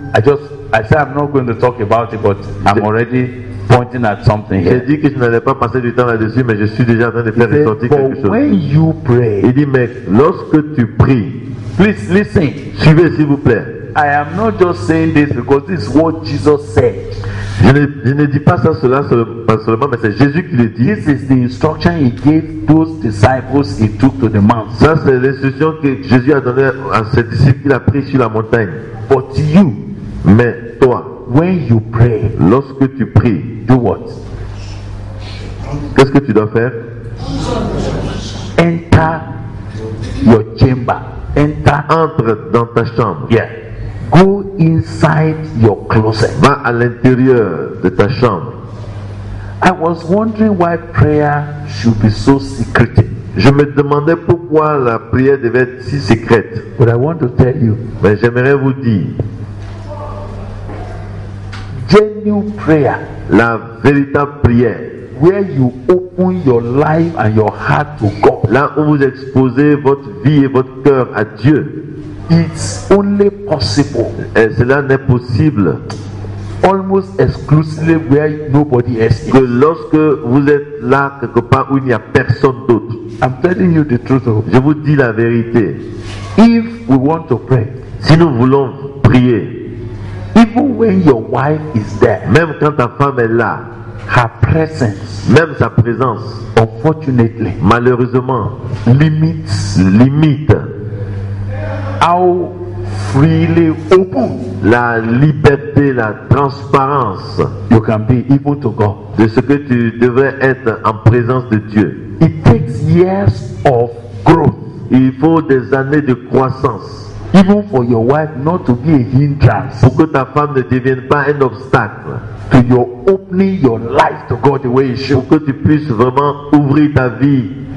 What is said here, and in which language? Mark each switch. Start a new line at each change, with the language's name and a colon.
English: I said I'm not going to talk about it, but I'm already pointing at something here.
French: J'ai dit que je n'allais pas passer du temps là-dessus, mais je suis déjà en train de faire ressortir quelque chose.
English: When you pray,
French: il dit, mais lorsque tu pries,
English: please listen.
French: Suivez s'il vous plaît.
English: I am not just saying this because this is what Jesus said.
French: Je ne dis pas ça cela pas seulement, mais c'est Jésus qui le dit.
English: This is the instruction he gave those disciples he took to the mountain.
French: Ça c'est l'instruction que Jésus a donné à ses disciples qu'il a pris sur la montagne.
English: But you,
French: mais toi.
English: When you pray,
French: lorsque tu pries,
English: do what?
French: Qu'est-ce que tu dois faire?
English: Enter your chamber. Enter.
French: Entre dans ta chambre.
English: Yeah. Go inside your closet.
French: Va à l'intérieur de ta chambre.
English: I was wondering why prayer should be so secretive.
French: Je me demandais pourquoi la prière devait être si secrète.
English: But I want to tell you.
French: Mais j'aimerais vous dire.
English: Genuine prayer,
French: la véritable prière,
English: where you open your life and your heart to God,
French: là où vous exposez votre vie et votre cœur à Dieu,
English: it's only possible.
French: Et cela n'est possible,
English: almost exclusively where nobody else is.
French: Que lorsque vous êtes là quelque part où il n'y a personne d'autre.
English: I'm telling you the truth.
French: Je vous dis la vérité.
English: If we want to pray,
French: si nous voulons prier.
English: Even when your wife is there,
French: même quand ta femme est là,
English: her presence,
French: même sa présence,
English: unfortunately,
French: malheureusement,
English: limits
French: limite
English: how freely open.
French: La liberté, la transparence.
English: You can be even to God.
French: De ce que tu devrais être en présence de Dieu.
English: It takes years of growth.
French: Il faut des années de croissance.
English: Even for your wife not to be a hindrance.
French: Pour que ta femme ne devienne pas un obstacle.
English: To your opening your life to God the way it should.
French: Pour que tu puisses vraiment ouvrir ta vie.